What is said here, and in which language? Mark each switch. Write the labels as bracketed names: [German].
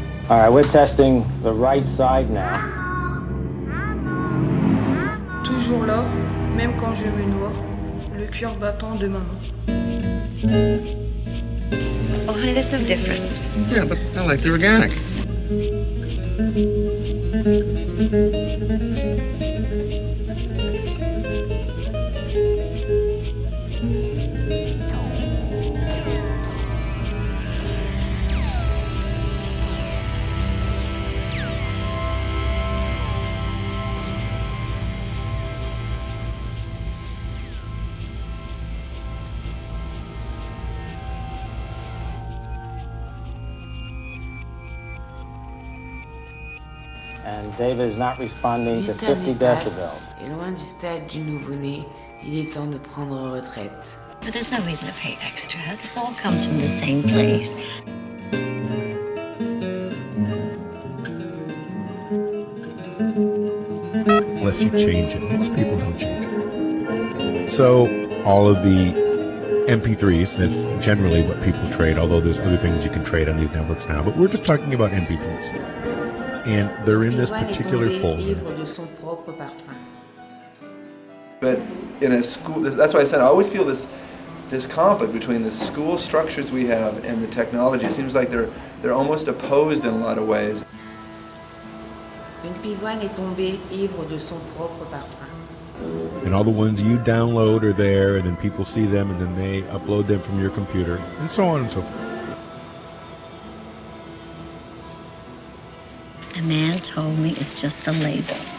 [English] All right, we're testing the right side now. [French] Toujours là, même quand je me noie, le cœur battant de maman. [English] Oh, honey, there's no difference. Yeah, but I like the organic. David is not responding to 50 decibels. [French] Et loin du stade du nouveau-né, il est temps de prendre retraite. [English] But there's no reason to pay extra. This all comes from the same place. Unless you change it, most people don't change it. So all of the MP3s, that's generally what people trade, although there's other things you can trade on these networks now, but we're just talking about MP3s. And they're in this particular folder. But in a school, that's why I said I always feel this conflict between the school structures we have and the technology. It seems like they're almost opposed in a lot of ways. [French] Une pivoine est tombée ivre de son propre parfum. [English] And all the ones you download are there, and then people see them, and then they upload them from your computer, and so on and so forth. The man told me it's just a label.